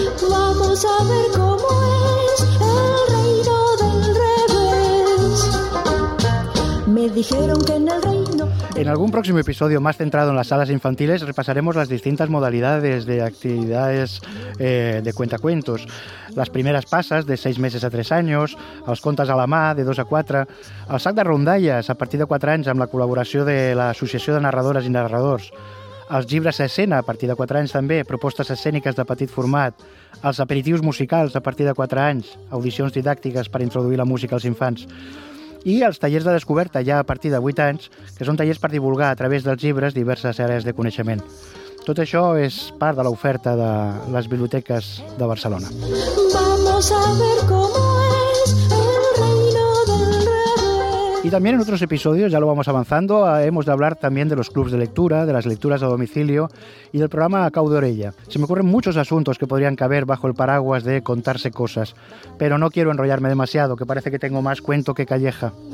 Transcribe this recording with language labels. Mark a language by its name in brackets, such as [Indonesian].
[Spanish] Vamos a ver cómo es el reino del revés. Me dijeron que en el reino... En algún próximo episodio más centrado en las salas infantiles repasaremos las distintas modalidades de actividades de cuentacuentos. Las primeras pasas de 6 meses a 3 años, [Catalan] els contes a la mà de 2 a 4, el sac de rondalles a partir de 4 anys amb la col·laboració de l'Associació de Narradores i Narradors, els llibres a escena a partir de 4 anys també, propostes escèniques de petit format, els aperitius musicals a partir de 4 anys, audicions didàctiques per introduir la música als infants, i els tallers de descoberta, ja a partir de 8 anys, que són tallers per divulgar a través dels llibres diverses àrees de coneixement. Tot això és part de l'oferta de les biblioteques de Barcelona. [Spanish] Vamos a ver cómo es el reino del rey. [Catalan] I també en altres episodis, [Spanish] ja lo vamos avanzando, hemos de hablar también de los clubs de lectura, de las lecturas a domicilio y del programa Cau d'Orella. Se me ocurren muchos asuntos que podrían caber bajo el paraguas de contarse cosas, pero no quiero enrollarme demasiado, que parece que tengo más cuento que calleja.